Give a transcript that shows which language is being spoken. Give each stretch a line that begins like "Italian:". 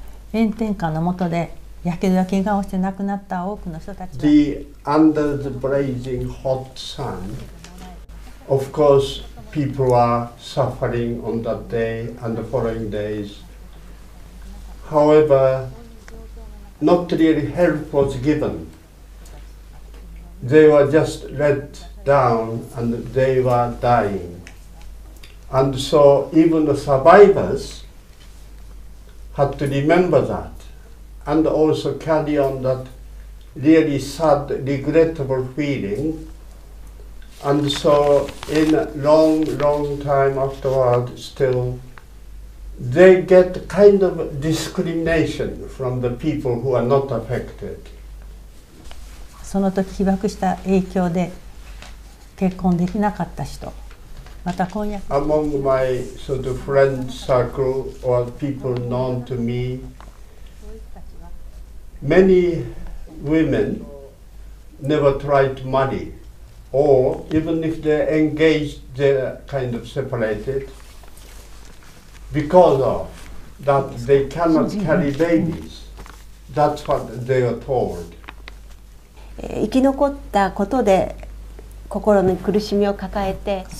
Japanese: 炎天下の下で火傷や怪我をして亡くなった多くの人たち。
English: The under the blazing hot sun, of course, people are suffering on that day and the following days. However, not really help was given. They were just let down and they were dying. And so even the survivors had to remember that and also carry on that really sad, regrettable feeling. And so in a long, long time afterward, still, they get kind of discrimination from the people who are not affected.
Japanese: その時被爆した影響で結婚できなかった人。また婚約
English: Among my sort of friend circle or people known to me, many women never tried to marry, or even if they're engaged, they're kind of separated because of that they cannot carry babies. That's what they are told.
Japanese: 生き残ったことで心の苦しみを抱えて。